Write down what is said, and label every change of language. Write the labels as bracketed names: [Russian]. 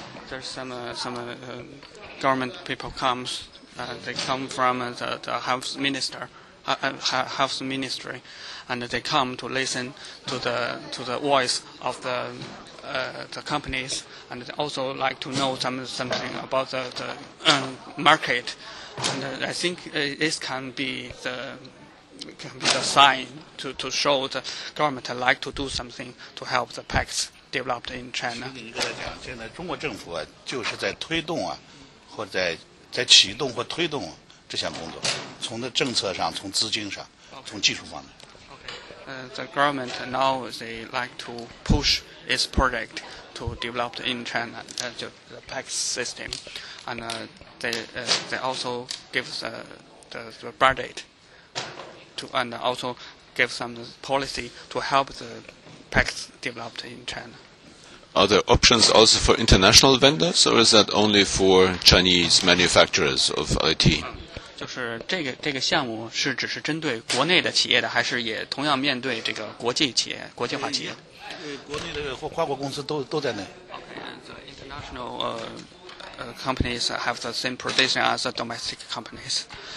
[English] There's some government people comes, they come from the health minister, health ministry, and they come to listen to the voice of the companies, and they also like to know something about the market, and I think this can be the sign to show the government like to do something to help the PACs developed in China. [Chinese] 现在中国政府就是在推动啊，或者在启动或推动这项工作，从的政策上，从资金上，从技术方面。 [English] Okay. the government now they like to push its project to develop in China, the PAC system, and they also give the budget to, and also give some policy to help the PAC developed in China. Are there options also for international vendors, or is that only for Chinese manufacturers of IT? [Chinese] 就是这个项目是只是针对国内的企业的，还是也同样面对这个国际企业、国际化企业？国内的或跨国公司都在内。 [English] International companies have the same position as the domestic companies.